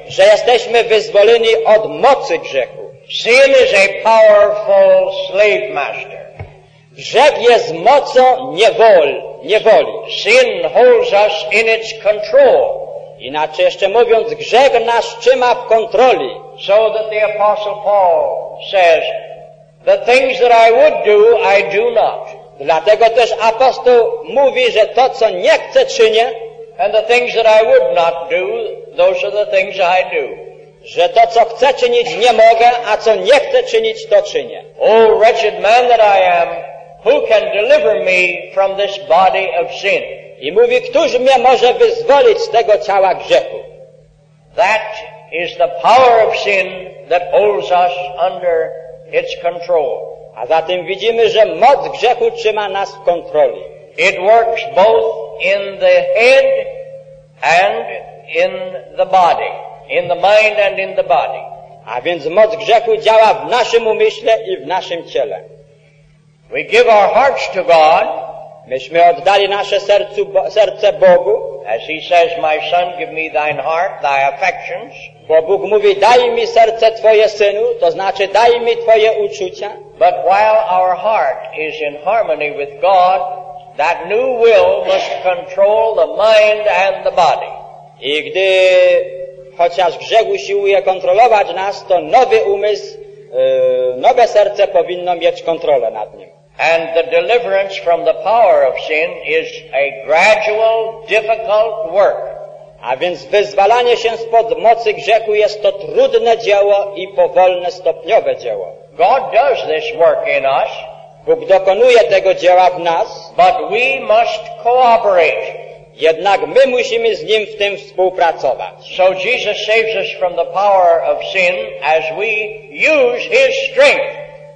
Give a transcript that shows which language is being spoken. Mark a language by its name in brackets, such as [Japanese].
[Polish] Że jesteśmy wyzwoleni od mocy grzechu. [English] Sin is a powerful slave master. [Polish] Grzech jest mocą niewoli. [English] Sin holds us in its control. [Polish] Inaczej jeszcze mówiąc, grzech nas trzyma w kontroli. [English] So that the apostle Paul says, the things that I would do, I do not. [Polish] Dlatego też apostoł mówi, że to, co nie chce, czynię. [English] And the things that I would not do, those are the things I do. [Polish] Że to, co chcę czynić, nie mogę, a co nie chcę czynić, to czynię. [English] O, wretched man that I am, who can deliver me from this body of sin? [Polish] I mówi, któż mnie może wyzwolić z tego ciała grzechu? [English] That is the power of sin that holds us under its control. [Polish] A zatem widzimy, że moc grzechu trzyma nas w kontroli. [English] It works both in the head and in the body. In the mind and in the body. [Polish] A więc moc grzechu działa w naszym umyśle i w naszym ciele. [English] We give our hearts to God. [Polish] Myśmy oddali nasze serce Bogu. [English] As he says, my son, give me thine heart, thy affections. [Polish] Bo Bóg mówi, daj mi serce twoje, synu, to znaczy daj mi twoje uczucia. [English] But while our heart is in harmony with God, that new will must control the mind and the body. [Polish] I gdy chociaż grzech usiłuje kontrolować nas, to nowy umysł, nowe serce powinno mieć kontrolę nad nim. [English] And the deliverance from the power of sin is a gradual, difficult work. [Polish] A więc wyzwalanie się spod mocy grzechu jest to trudne dzieło i powolne, stopniowe dzieło. [English] God does this work in us. [Polish] Bóg dokonuje tego dzieła w nas. [English] But we must cooperate. [Polish] Jednak my musimy z nim w tym współpracować. [English] So Jesus saves us from the power of sin as we use his strength.